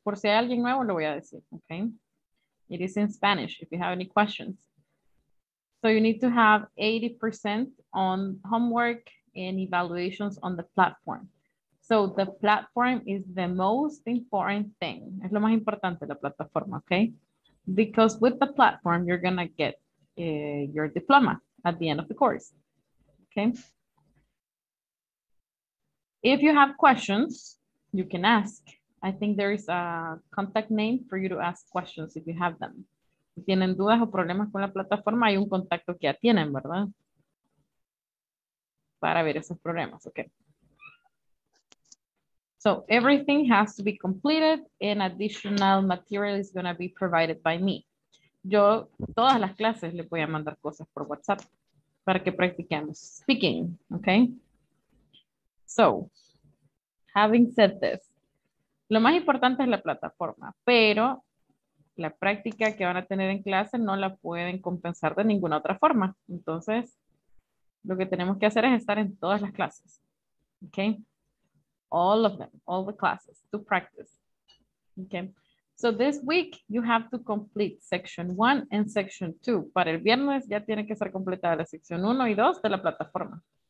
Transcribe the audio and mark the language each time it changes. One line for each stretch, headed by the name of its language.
Spanish: Por si hay alguien nuevo, lo voy a decir, okay?
English: It is in Spanish, if you have any questions. So you need to have 80% on homework and evaluations on the platform. So the platform is the most important thing.
Spanish: Es lo más importante, la plataforma,
English: okay? Because with the platform, you're gonna get your diploma at the end of the course, okay? If you have questions, you can ask. I think there is a contact name for you to ask questions if you have them.
Spanish: Si tienen dudas o problemas con la plataforma, hay un contacto que ya tienen, ¿verdad? Para ver esos problemas, okay.
English: So everything has to be completed and additional material is going to be provided by me.
Spanish: Yo todas las clases le voy a mandar cosas por WhatsApp para que practiquemos speaking, okay?
English: So, having said this,
Spanish: lo más importante es la plataforma, pero la práctica que van a tener en clase no la pueden compensar de ninguna otra forma. Entonces, lo que tenemos que hacer es estar en todas las clases.
English: Ok. All of them, all the classes, to practice. Okay. So this week you have to complete section 1 and section 2.
Spanish: Para el viernes ya tiene que ser completada la sección 1 y 2 de la plataforma.